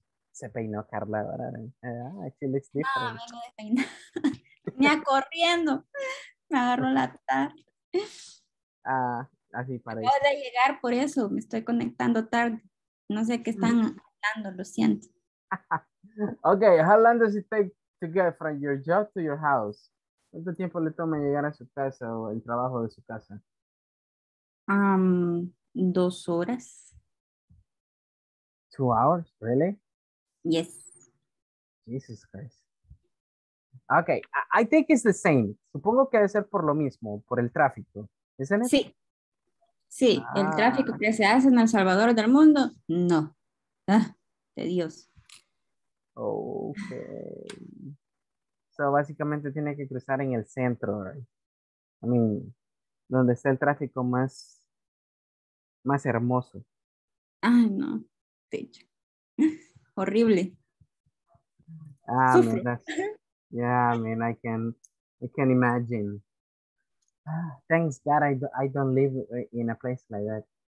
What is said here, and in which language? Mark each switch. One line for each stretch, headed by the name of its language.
Spanish: Se peinó Carla ahora.
English: She looks different.
Spanish: No, vengo de peinar. Me acorriendo. Me agarro la tarde. Así para acabo de llegar, por eso me estoy conectando tarde. No sé qué están hablando, lo siento.
English: Okay, how long does it take to get from your job to your house?
Spanish: ¿Cuánto tiempo le toma llegar a su casa o el trabajo de su casa? 2 horas.
English: 2 hours, really? Yes. Jesus Christ. Okay, I think it's the same.
Spanish: Supongo que debe ser por lo mismo, por el tráfico,
English: ¿isn't it?
Spanish: Sí. Sí, el tráfico que se hace en El Salvador del mundo, no. De Dios.
English: Okay.
Spanish: So, básicamente tiene que cruzar en el centro,
English: right? I mean,
Spanish: donde está el tráfico más hermoso. Ay, no. Techo. Horrible.
English: Ah, man, that's, yeah, I mean, I can imagine. Thanks God I don't live in a place like that.